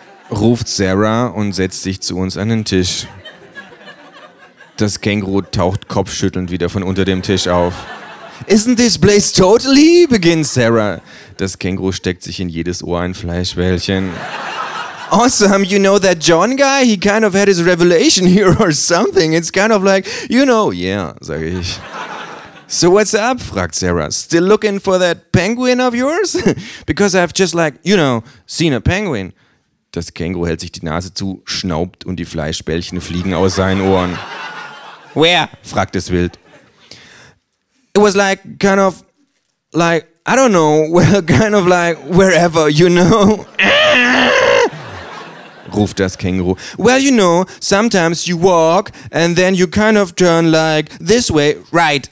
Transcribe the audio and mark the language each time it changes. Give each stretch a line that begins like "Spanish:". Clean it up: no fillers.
German: Ruft Sarah und setzt sich zu uns an den Tisch. Das Känguru taucht kopfschüttelnd wieder von unter dem Tisch auf.
English: Isn't this place totally?
German: Beginnt Sarah. Das Känguru steckt sich in jedes Ohr ein Fleischbällchen.
English: Awesome, you know that John guy? He kind of had his revelation here or something. It's kind of like, you know, yeah,
German: sage ich.
English: So what's up?
German: Fragt Sarah.
English: Still looking for that penguin of yours? Because I've just like, you know, seen a penguin.
German: Das Känguru hält sich die Nase zu, schnaubt und die Fleischbällchen fliegen aus seinen Ohren.
English: Where?
German: Fragt es wild.
English: It was like, kind of, like, I don't know, well, kind of like, wherever, you know?
German: Ruft das Känguru.
English: Well, you know, sometimes you walk and then you kind of turn like this way, right,